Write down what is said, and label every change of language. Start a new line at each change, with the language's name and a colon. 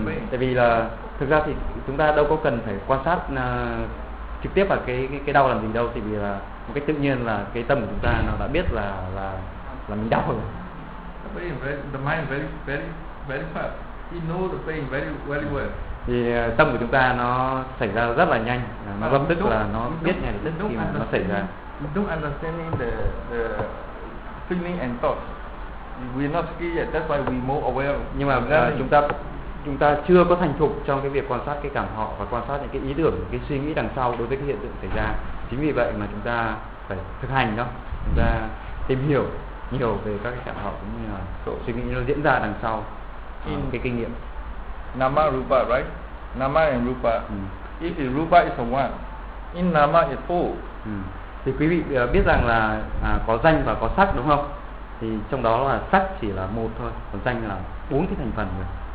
Vietnamese: Tại vì là thực ra thì chúng ta đâu có cần phải quan sát trực tiếp vào cái đau làm gì đâu, tại vì là một cách tự nhiên là cái tâm của chúng ta nó đã biết là mình đau rồi.
English: The mind very very very fast. He know the pain very very well.
Vietnamese: Thì tâm của chúng ta nó xảy ra rất là nhanh. Nó lập tức là nó biết ngay lập tức khi mà nó xảy ra.
English: You don't understanding the feeling and thoughts. We not skilled yet. That's why we more aware.
Vietnamese: Nhưng mà chúng ta chưa có thành thục trong cái việc quan sát cái cảm họ và quan sát những cái ý tưởng, cái suy nghĩ đằng sau đối với cái hiện tượng xảy ra. Chính vì vậy mà chúng ta phải thực hành đó. Chúng ta tìm hiểu nhiều về các cái cảm họ cũng như là suy nghĩ nó diễn ra đằng sau
English: in
Vietnamese: cái kinh nghiệm.
English: Nama rupa, right? Nama and rupa. If the rupa is a one, in nama is four.
Vietnamese: Thì quý vị biết rằng là có danh và có sắc đúng không? Thì trong đó là sắc chỉ là một thôi, còn danh là bốn cái thành phần rồi.